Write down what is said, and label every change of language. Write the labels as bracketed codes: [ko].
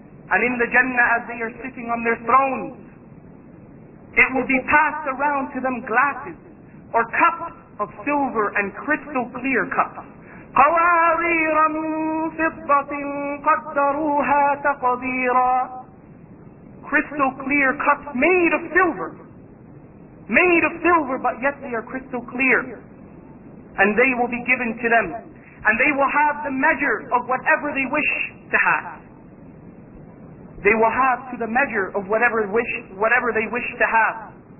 [en] And in the Jannah, as they are sitting on their thrones, it will be passed around to them glasses or cups of silver and crystal clear cups. [ar] قوارير من فضة قدروها تقديرا. [en] Crystal clear cups made of silver. Made of silver, but yet they are crystal clear. And they will be given to them. And they will have the measure of whatever they wish to have. They will have to the measure of whatever they wish to have.